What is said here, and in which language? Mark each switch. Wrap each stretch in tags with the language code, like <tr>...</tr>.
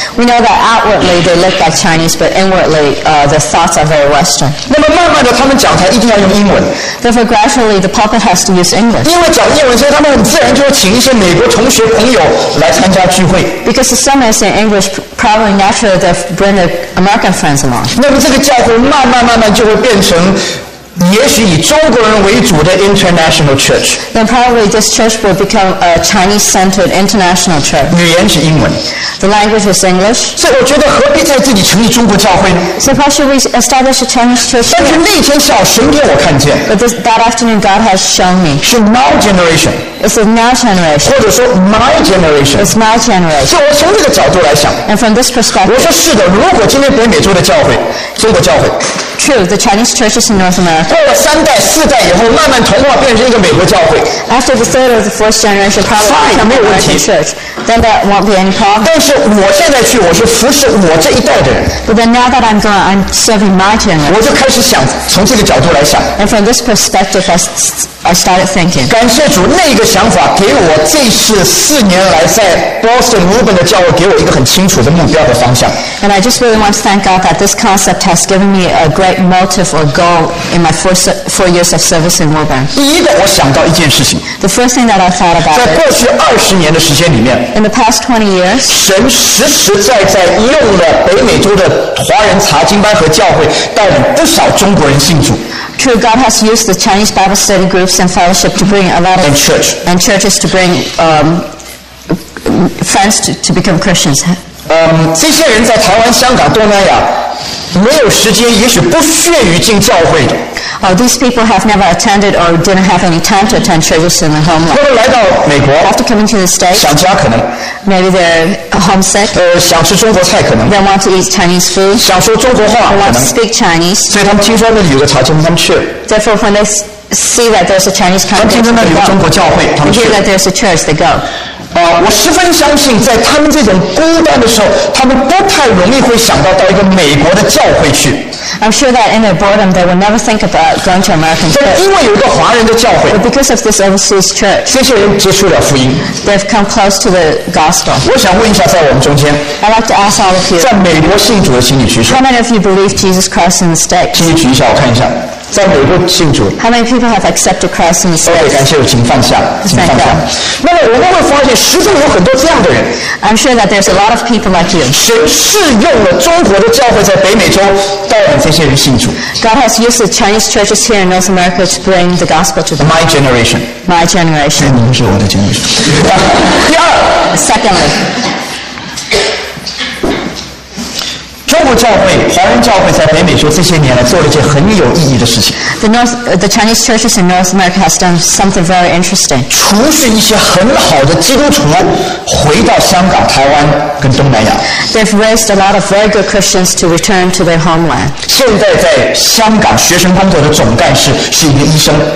<en>We know that outwardly they look like Chinese, but inwardly the thoughts are very Western.</en> <zh>那么慢慢的，他们讲台一定要用英文。</zh> <en>Therefore, gradually the pulpit has to use English.</en> <zh>因为讲英文，所以他们很自然就会请一些美国同学朋友来参加聚会。</zh> <en>Because the sermons in English probably naturally they bring the American friends along.</en> <zh>那么这个教会慢慢慢慢就会变成，也许以中国人为主的</zh> <en>international church. Then probably this church will become a Chinese-centered international church.</en> <zh>语言是英文。</zh> <en>The language is English.</en> <zh>所以我觉得何必在这里成立中国教会呢</zh> <en>？So why should we establish a Chinese church?</en> <zh>但是那天下午神给我看见。</zh> <en>But this, that afternoon God has shown me. 是 my generation. It's a my generation. 或者说 my generation. It's my generation.</en> <zh>所以我从这个角度来想。</zh> <en>And from this perspective.</en> <zh>我说是的，如果今天北美洲的教会，中国教会。</zh> <en>True, the Chinese churches in North America.</en> <zh>过了三代、四代以后，慢慢同化变成一个美国教会。</zh> <en>After the third or the fourth generation, probably become an American church. Then that won't be any problem.</en> <zh>但是我现在去，我是服侍我这一代的人。</zh> <en>But then now that I'm gone, I'm serving my generation.</en> <zh>我就开始想从这个角度来想。</zh> <en>And from this perspective, I started thinking.</en> <zh>感谢主，那个想法给我这次四年来在 Boston Reuben 的教会给我一个很清楚的目标和方向。</zh> <en>And I just really want to thank God that this concept has given me a great motive or goal in my four years of service in Reuben.</en> <zh>第一个，我想到一件事情。</zh> <en>The first thing that I thought about.</en> <zh>在过去二十年的时间里面。</zh> <en>In the past 20 years.</en> <zh>神实实在在用了北美洲的华人查经班和教会，带领不少中国人信主。</zh> <en>True, God has used the Chinese Bible study groups and fellowship to bring a lot of and church and churches to bring friends to become Christians.</en> <zh>这些人在台湾、香港、东南亚没有时间，也许不屑于进教会的。</zh> <en>These people have never attended or didn't have any time to attend churches in their homeland.</en> <zh>或者来到美国</zh> <en>，after coming to the states，</en> <zh>想家可能</zh> <en>，maybe they're homesick。</en> <zh>想吃中国菜可能</zh> <en>，they want to eat Chinese food。</en> <zh>想说中国话可能</zh> <en>，want to speak Chinese。</en> <zh>所以他们听说那里有个茶经，他们去。</zh> <en>Therefore, when they see that there's a Chinese conference, they go.</en> <zh>他们听说那里有中国教会，他们去。</zh> <en>They hear that there's a church, they go.</en> <zh>我十分相信，在他们这种孤单的时候，他们不太容易会想到到一个美国的教会去。</zh> <en>I'm sure that in their boredom, they will never think about going to American church.</en> <zh>但因为有一个华人的教会</zh> <en>，but because of this overseas church,</en> <zh>这些人接触了福音</zh> <en>，they've come close to the gospel.</en> <zh>我想问一下，在我们中间</zh> <en>，I'd like to ask all of you，</en> <zh>在美国信主的，请你举手。</zh> <en>How many of you believe Jesus Christ in the States？</en> <zh>请你举一下，我看一下。在美国信主。</zh> <en>How many people have accepted Christ in the States？</en> <zh>感谢，请放下，请放下。那么我们会发现，实际上有很多这样的人。</zh> <en>I'm sure that there's a lot of people like you.</en> <zh>神是用了中国的教会在北美洲带领这些人信主。</zh> <en>God has used the Chinese churches here in North America to bring the gospel to them. My generation. My generation.</en> <zh>你们是我的 generation。第二。</zh> <en>Secondly.</en> <zh>中国教会、华人教会在北美洲这些年来做了一件很有意义的事情。</zh> <en>The Chinese churches in North America has done something very interesting.</en> <zh>除去一些很好的基督徒回到香港、台湾跟东南亚。</zh> <en>They've raised a lot of very good Christians to return to their homeland.</en> <zh>现在在香港学生工作的总干事是一个医生。</zh>